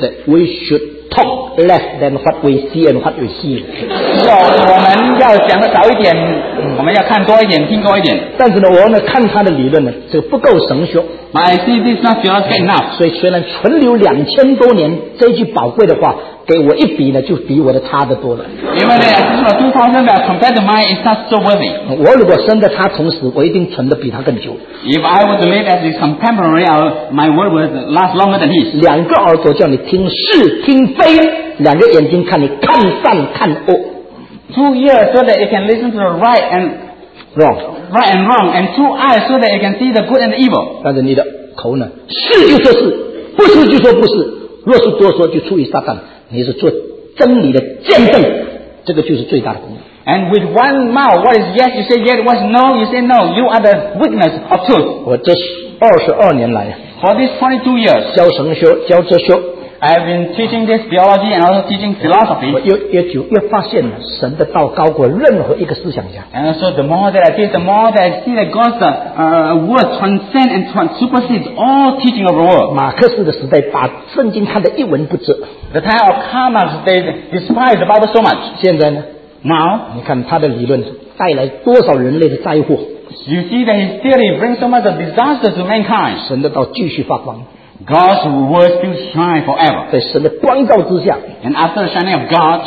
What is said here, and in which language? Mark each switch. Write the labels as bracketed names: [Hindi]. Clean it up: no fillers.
[English] that we should talk less than what we see and what we hear. [Chinese] 我们要讲的少一点, 我们要看多一点, 听多一点。但是呢, 我们看他的理论呢, 这个不够神学。 [English] But I see this not theological enough. [Chinese] 所以虽然存留2000多年, 这句宝贵的话, 给我一笔呢, 就比我的他的多了。因为呢, 2000的, [English] compared to mine, it's not so worthy. [Chinese] 我如果生的他同时, 我一定存得比他更久。 [English] If I were to live as a contemporary, my word would last longer than his. [Chinese] 两个耳朵叫你听是听非。两个眼睛看你看善看恶。 [English] Two ears so that it can listen to the right and wrong. Right and wrong. And two eyes so that it can see the good and the evil. [Chinese] 但是你的口呢, 是就说是, 不是就说不是, 若是多说就出于撒旦, 你是做真理的见证, 这个就是最大的功能。 [English] And with one mouth, what is yes you say yes, what is no you say no. You are the witness of truth. [Chinese] 我这22年来, [English] for these 22 years, [Chinese] 教神学, 教哲学, [English] I have been teaching this theology and also teaching philosophy. [Chinese] 我越久越发现神的道高过任何一个思想家。 [English] And so the more that I did, the more that I see that God's word transcends and supersedes all teaching of the world. [Chinese] 马克思的时代把圣经看得一文不值。 [English] The time of Karl Marx, they despise the Bible so much. [Chinese] 现在呢? [English] Now? [Chinese] 你看他的理论带来多少人类的灾祸。 [English] You see that his theory brings so much of disaster to mankind. [Chinese] 神的道继续发光。 [English] God's word still shine forever. [Chinese] 在神的光照之下, [English] and after the shining of God,